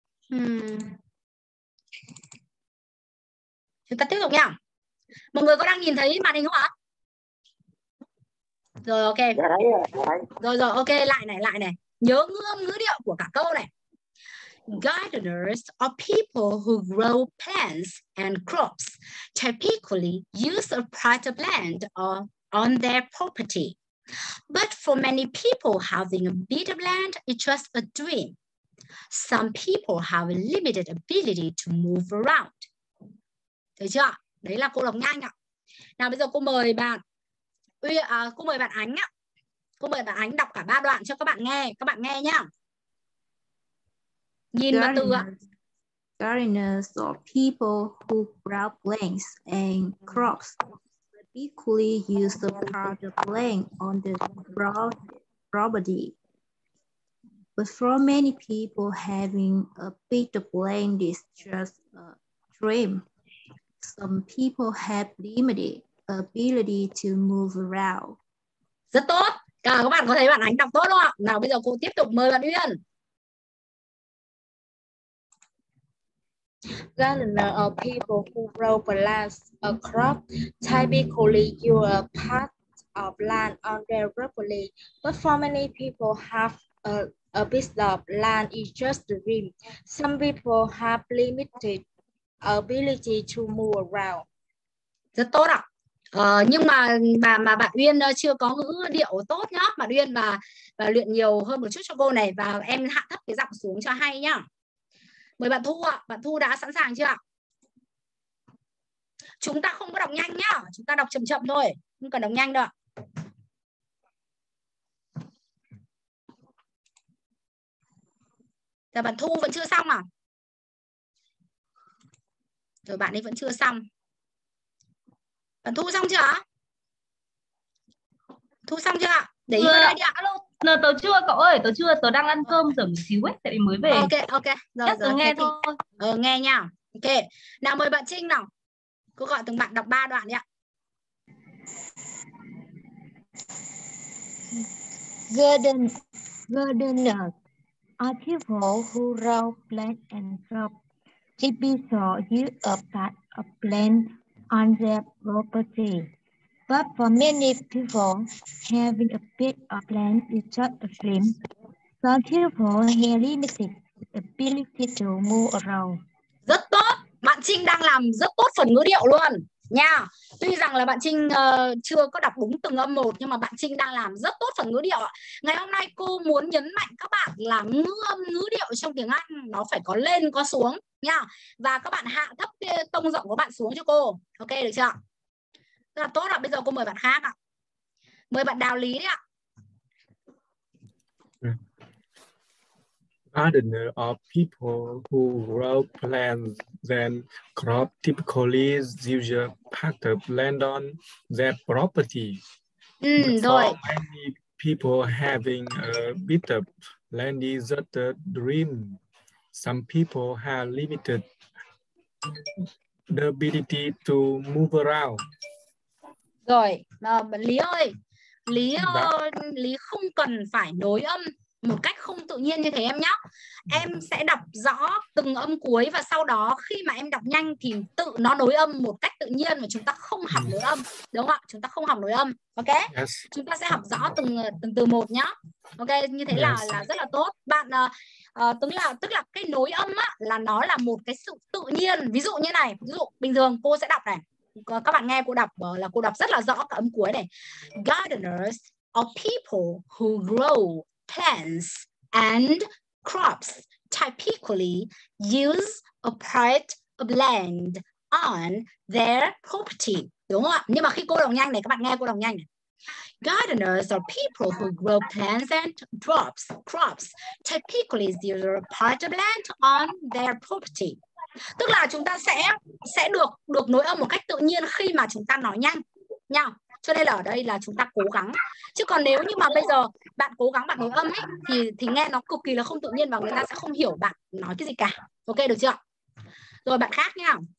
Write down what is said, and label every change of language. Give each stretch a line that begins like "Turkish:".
Vietnamese: Chúng ta tiếp tục nha. Mọi người có đang nhìn thấy màn hình không ạ? Rồi ok. Rồi ok, lại này. Nhớ ngữ âm ngữ điệu của cả câu này.
English: Gardeners are people who grow plants and crops, typically use a part of land or on their property. But for many people having a bit of land, it's just a dream. Some people have a limited ability to move around.
Vietnamese: Thấy chưa? Đấy là cô đọc nhanh ạ. Nào bây giờ cô mời bạn Ánh ạ. Cô mời bạn Ánh đọc cả ba đoạn cho các bạn nghe nhá. Nhìn vào từ ạ.
English: Gardeners are people who grow plants and crops. Equally use the part of land on the property. But for many people, having a bit of land is just a dream. Some people have limited ability to move around.
Vietnamese: Rất tốt. À, các bạn có thấy bạn Ánh đọc tốt không ạ? Nào bây giờ cô tiếp tục mời bạn Uyên.
English: Gardeners are people who grow plants, a crop, typically you are part of land on their property. But for many people have a bit of land is just a dream. Some people have limited ability to move around.
Vietnamese: Rất tốt ạ. Nhưng mà bạn Uyên chưa có ngữ điệu tốt nhá. Bạn Uyên và luyện nhiều hơn một chút cho cô này, và em hạ thấp cái giọng xuống cho hay nhá. Mời bạn Thu ạ. Bạn Thu đã sẵn sàng chưa ạ? Chúng ta không có đọc nhanh nhá. Chúng ta đọc chậm chậm thôi. Không cần đọc nhanh đâu ạ. Dạ, bạn Thu vẫn chưa xong à? Rồi bạn ấy vẫn chưa xong. Bạn Thu xong chưa ạ? Thu xong chưa ạ? Để ý đây đi ạ. Alo. Nờ tớ chưa cậu ơi, tớ chưa, tớ đang ăn cơm giờ một xíu ấy, tại vì mới về. Ok, rồi nghe thì... thôi. Nghe nha. Ok. Nào mời bạn Trinh nào. Cô gọi từng bạn đọc ba đoạn đi ạ.
English: Gardeners are people who grow plants and crops. Typically, you are part of plant on their property. But for many people, having a bit of land is just a dream. Some people have limited ability to move around.
Vietnamese: Rất tốt. Bạn Trinh đang làm rất tốt phần ngữ điệu luôn. Nha. Tuy rằng là bạn Trinh chưa có đọc đúng từng âm một, nhưng mà bạn Trinh đang làm rất tốt phần ngữ điệu. Ngày hôm nay cô muốn nhấn mạnh các bạn là ngữ âm ngữ điệu trong tiếng Anh nó phải có lên có xuống. Nha. Và các bạn hạ thấp cái tông giọng của bạn xuống cho cô. Ok, được chưa? Rất là tốt ạ. Bây giờ cô mời bạn khác ạ. Mời bạn Đào Lý đấy ạ.
English: Gardeners are people who grow plants and crops, typically use part of land on their property.
Vietnamese: Rồi.
English: For many people having a bit of land is just a dream. Some people have limited the ability to move around.
Vietnamese: Rồi, Lý ơi, Lý ơi, Lý không cần phải nối âm một cách không tự nhiên như thế em nhé. Em sẽ đọc rõ từng âm cuối và sau đó khi mà em đọc nhanh thì tự nó nối âm một cách tự nhiên và chúng ta không học nối âm, đúng không ạ? Chúng ta không học nối âm, ok?
English: Yes.
Vietnamese: Chúng ta sẽ học rõ từng từ một nhé. Ok, như thế là rất là tốt. Bạn tức là cái nối âm á là nó là một cái sự tự nhiên. Ví dụ như này, ví dụ bình thường cô sẽ đọc này. Các bạn nghe cô đọc là cô đọc rất là rõ cả âm cuối này.
English: Gardeners are people who grow plants and crops typically use a part of land on their property.
Vietnamese: Đúng không ạ? Nhưng mà khi cô đọc nhanh này, các bạn nghe cô đọc nhanh này.
English: Gardeners are people who grow plants and crops typically use a part of land on their property.
Vietnamese: Tức là chúng ta sẽ được nối âm một cách tự nhiên khi mà chúng ta nói nhanh nha. Cho nên là ở đây là chúng ta cố gắng. Chứ còn nếu như mà bây giờ bạn cố gắng bạn nối âm ấy thì nghe nó cực kỳ là không tự nhiên và người ta sẽ không hiểu bạn nói cái gì cả. Ok được chưa? Rồi bạn khác nha.